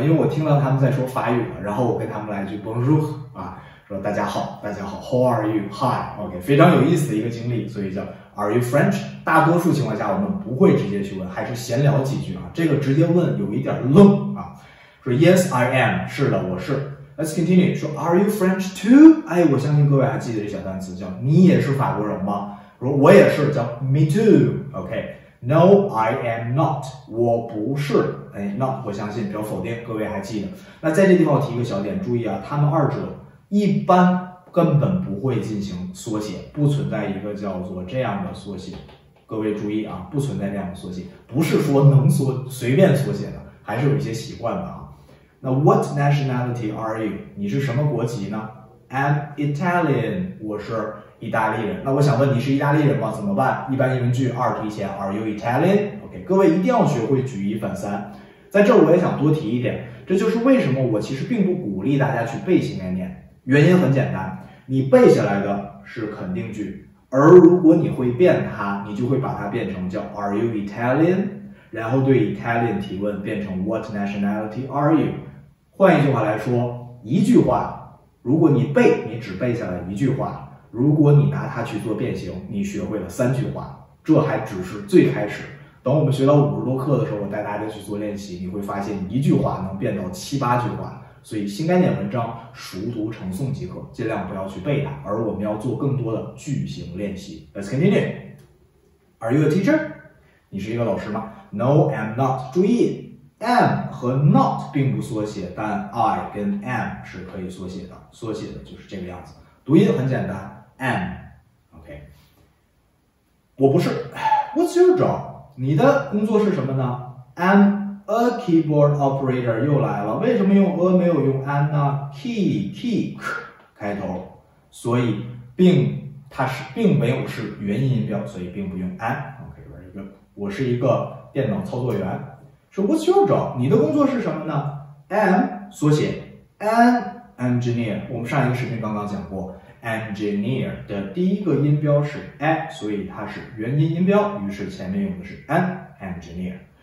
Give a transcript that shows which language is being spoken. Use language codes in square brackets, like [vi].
[zh] 因为我听到他们在说法语嘛，然后我跟他们来一句 Bonjour, 啊，说大家好，大家好 , [en] How are you? [zh] Hi, OK, 非常有意思的一个经历，所以叫 [en] Are you French? [zh] 大多数情况下我们不会直接去问，还是闲聊几句啊，这个直接问有一点愣啊，说 [en] Yes, I am, [zh] 是的我是。 [en] Let's continue, 说 Are you French too? [zh] 哎，我相信各位还记得这小单词叫你也是法国人吗？说我也是叫 me too, [en] OK, no, I am not, [zh] 我不是，哎 ,not, 我相信表否定，各位还记得。那在这地方我提一个小点，注意啊，他们二者一般根本不会进行缩写，不存在一个叫做这样的缩写。各位注意啊，不存在这样的缩写，不是说能缩随便缩写的，还是有一些习惯的啊。 [en] 那 what nationality are you? [zh] 你是什么国籍呢？ [en] I'm Italian, [zh] 我是意大利人。那我想问你是意大利人吗？怎么办？一般疑问句二提前 [en] Are you Italian? [zh] OK, 各位一定要学会举一反三。在这儿我也想多提一点，这就是为什么我其实并不鼓励大家去背新概念。原因很简单，你背下来的是肯定句，而如果你会变它，你就会把它变成叫 [en] Are you Italian? [zh] 然后对 Italian 提问变成 [en] What nationality are you? [zh] 换一句话来说，一句话如果你背，你只背下来一句话，如果你拿它去做变形，你学会了三句话，这还只是最开始。等我们学到五十多课的时候，我带大家去做练习，你会发现一句话能变到七八句话。所以新概念文章熟读成诵即可，尽量不要去背它，而我们要做更多的句型练习。 [en] Let's continue. Are you a teacher? [zh] 你是一个老师吗？ [en] No, I'm not. [zh] 注意 am 和 not 并不缩写，但 I 跟 am 是可以缩写的，缩写的就是这个样子。读音很简单 ,am, OK。我不是 , [en] what's your job? [zh] 你的工作是什么呢？ [en] I'm a keyboard operator, [zh] 又来了。为什么用 a 没有用 an 呢？ key 开头。所以并没有是元音音标，所以并不用 an, OK, 我是一个电脑操作员。说 [en] what's your job? [zh] 你的工作是什么呢？ am, 缩写 an,Engineer, 我们上一个视频刚刚讲过 Engineer 的第一个音标是 A, 所以它是元音音标，于是前面用的是 An Engineer。